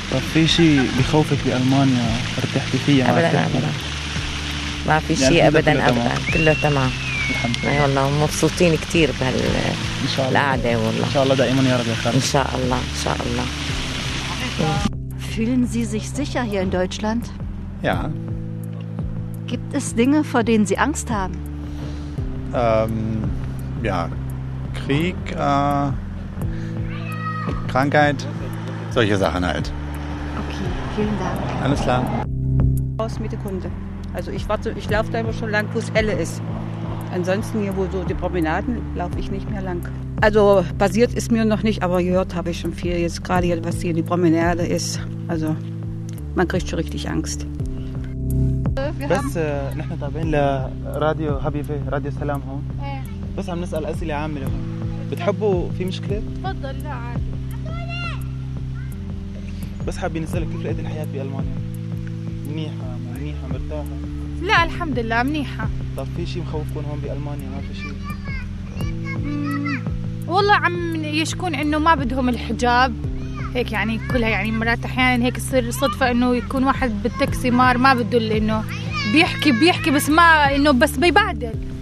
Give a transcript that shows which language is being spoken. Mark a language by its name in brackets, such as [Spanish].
[Arabic] طب في شيء بخوفك بألمانيا ارتحت فيها؟ أبداً ما في شيء أبداً كله تمام. الحمد لله. والله مبسوطين كتير بهال. إن شاء الله. القعدة والله. إن شاء الله دائماً يا رب يا خالد. إن شاء الله إن شاء الله. [German] Fühlen Sie sich sicher hier in Deutschland? Ja. Gibt es Dinge, vor denen Sie Angst haben? Ja, Krieg. Krankheit, solche Sachen halt. Okay, vielen Dank. Alles klar. Aus mit dem Kunde. Also ich laufe da immer schon lang, wo es helle ist. Ansonsten hier, wo so die Promenaden, laufe ich nicht mehr lang. Also passiert ist mir noch nicht, aber gehört habe ich schon viel. Jetzt gerade hier, was hier die Promenade ist. Also man kriegt schon richtig Angst. Was ist Radio Habibi, Radio Salam? Was haben wir als Asylum? [Arabic] بتحبوا في مشكلة؟ تفضل لا عادي. بس حابين نسألك كيف لقيت الحياة في ألمانيا؟ منيحة مرتاحة؟ لا الحمد لله منيحة. طب في شيء مخوفكم هون بألمانيا؟ ما في شيء؟ والله عم يشكون إنه ما بدهم الحجاب هيك يعني كلها يعني مرات أحيانا هيك تصير صدفة إنه يكون واحد بالتاكسي مار ما بده لأنه بيحكي بس ما إنه بس بيبعدل.